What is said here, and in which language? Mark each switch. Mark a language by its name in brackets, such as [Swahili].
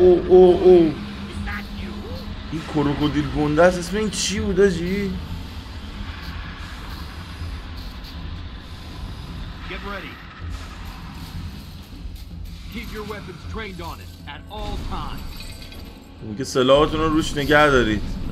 [Persian] او این کروکودیل گنده است. اسم این چی بود آجی؟ [English] Get ready. Keep your weapons trained on it at all times. [Persian] میگه سلاحاتون رو روش نگه دارید.